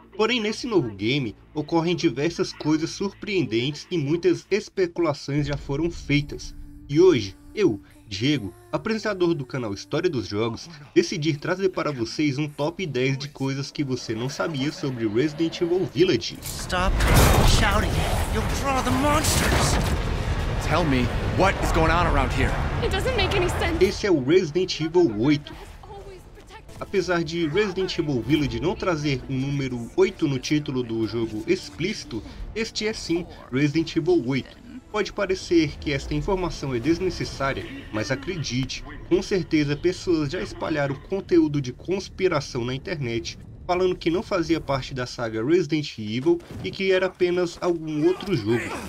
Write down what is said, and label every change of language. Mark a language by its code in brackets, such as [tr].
[pt] Porém, nesse novo game, ocorrem diversas coisas surpreendentes e muitas especulações já foram feitas. E hoje, eu, Diego, apresentador do canal História dos Jogos, decidi trazer para vocês um top 10 de coisas que você não sabia sobre Resident Evil Village. [en] Stop shouting. You'll draw the monsters. Tell me what is going on around here. It doesn't make any sense. [pt] Esse é o Resident Evil 8. Apesar de Resident Evil Village não trazer o número 8 no título do jogo explícito, este é sim Resident Evil 8. Pode parecer que esta informação é desnecessária, mas acredite, com certeza pessoas já espalharam conteúdo de conspiração na internet, falando que não fazia parte da saga Resident Evil e que era apenas algum outro jogo.